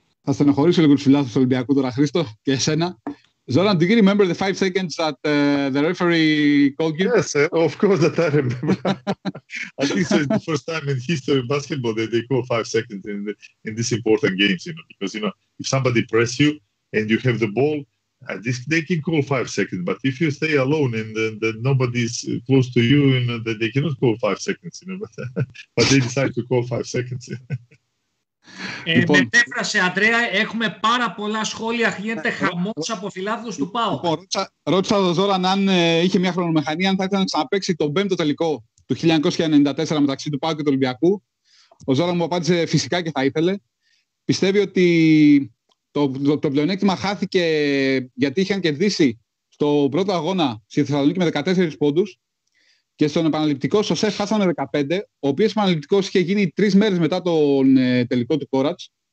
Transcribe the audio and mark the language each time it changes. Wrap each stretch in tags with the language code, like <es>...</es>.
<el>Θα στενοχωρήσω λίγο τους φιλάθλους του Ολυμπιακού τώρα, Χρήστο, και εσένα.</el> <en>Ζόραν, do you remember the 5 seconds that the referee called you? Yes, of course that I remember. I think so, it's the first time in history of basketball that they call 5 seconds in this important games, you know, because, you know, if somebody press you and you have the ball, this, they can call 5 seconds, but if you stay alone and then nobody's close to you, you know, then they cannot call 5 seconds, you know, but they decide to call 5 seconds.</en> <el>Λοιπόν, μετέφρασε, Αντρέα, έχουμε πάρα πολλά σχόλια. Γίνεται χαμός από φιλάθλους του ΠΑΟ. Λοιπόν, ρώτησα τον Ζόραν αν είχε μια χρονομηχανία, αν θα ήθελε να ξαναπαίξει τον πέμπτο τελικό του 1994 μεταξύ του ΠΑΟ και του Ολυμπιακού. Ο Ζόραν μου απάντησε φυσικά και θα ήθελε. Πιστεύει ότι το πλεονέκτημα χάθηκε γιατί είχαν κερδίσει στο πρώτο αγώνα στη Θεσσαλονίκη με 14 πόντους και στον επαναληπτικό στο ΣΕΦ χάσανε 15, ο οποίος επαναληπτικός είχε γίνει 3 μέρες μετά τον τελικό του Κόρατς.</el>